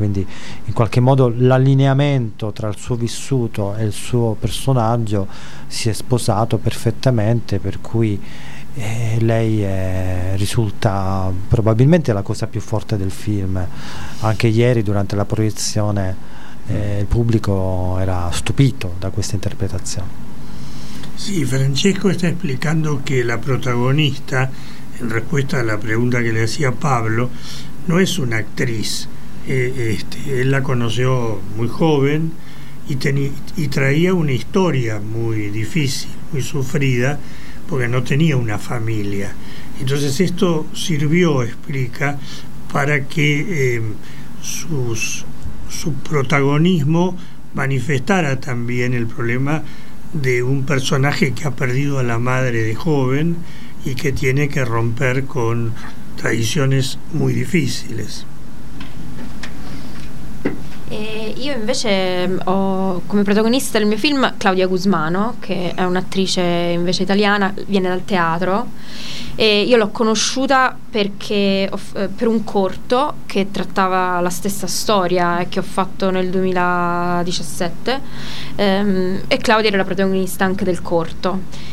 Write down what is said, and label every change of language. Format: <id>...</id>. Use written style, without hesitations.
<it>Quindi in qualche modo l'allineamento tra il suo vissuto e il suo personaggio si è sposato perfettamente, per cui lei risulta probabilmente la cosa più forte del film. Anche ieri durante la proiezione il pubblico era stupito da questa interpretazione. Sì, Francesco sta spiegando che la protagonista,</it> <es>en respuesta a la pregunta que le hacía Pablo, no es una actriz. Él la conoció muy joven y traía una historia muy difícil, muy sufrida, porque no tenía una familia. Entonces esto sirvió, explica, para que su protagonismo manifestara también el problema de un personaje que ha perdido a la madre de joven y que tiene que romper con tradiciones muy difíciles.</es> <it>Io invece ho come protagonista del mio film Claudia Guzmano, che è un'attrice invece italiana, viene dal teatro, e io l'ho conosciuta per un corto che trattava la stessa storia che ho fatto nel 2017, e Claudia era la protagonista anche del corto.</it>